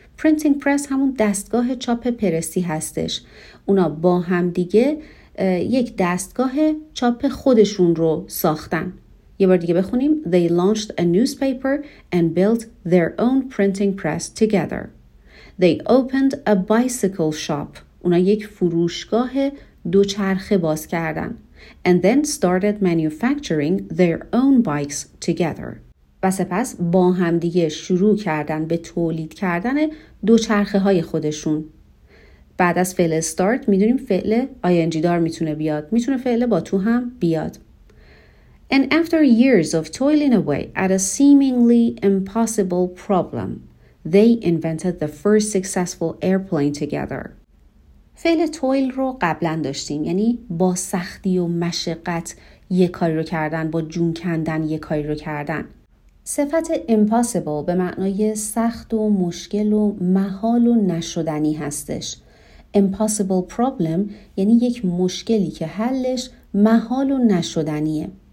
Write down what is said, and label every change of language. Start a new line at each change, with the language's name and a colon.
Persian: Printing press همون دستگاه چاپ پرسی هستش. اونا با هم دیگه یک دستگاه چاپ خودشون رو ساختن. یه بار دیگه بخونیم.
English: They launched a newspaper and built their own printing press together. They opened a bicycle shop.
Persian: اونا یک فروشگاه دوچرخه باز کردن.
English: And then started manufacturing their own bikes together.
Persian: و سپس با هم دیگه شروع کردن به تولید کردن دوچرخه های خودشون. بعد از فعل start میدونیم فعل ing دار میتونه بیاد. میتونه فعل با تو هم بیاد.
English: And after years of toiling away at a seemingly impossible problem, they invented the first successful airplane together.
Persian: فعل toil رو قبلن داشتیم. یعنی با سختی و مشقت یک کاری رو کردن، با جون کندن یک کاری رو کردن. صفت impossible به معنای سخت و مشکل و محال و نشدنی هستش.
English: Impossible problem
Persian: یعنی یک مشکلی که حلش محال و نشدنیه.